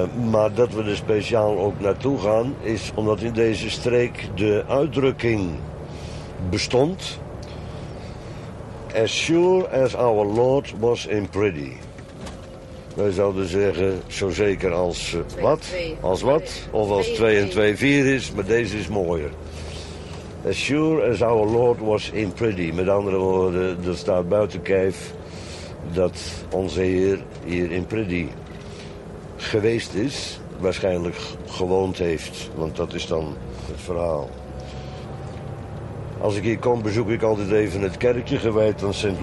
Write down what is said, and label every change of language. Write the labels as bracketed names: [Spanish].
[Dutch] Maar dat we er speciaal ook naartoe gaan, is omdat in deze streek de uitdrukking bestond: [English] As sure as our Lord was in Priddy. [Dutch] Wij zouden zeggen, zo zeker als wat? Als wat? Of als 2 en 2 4 is, maar deze is mooier. [English] As sure as our Lord was in Priddy. [Dutch] Met andere woorden, er staat buiten kijf dat onze Heer hier in Priddy geweest is. Waarschijnlijk gewoond heeft, want dat is dan het verhaal. Als ik hier kom, bezoek ik altijd even het kerkje gewijd aan St.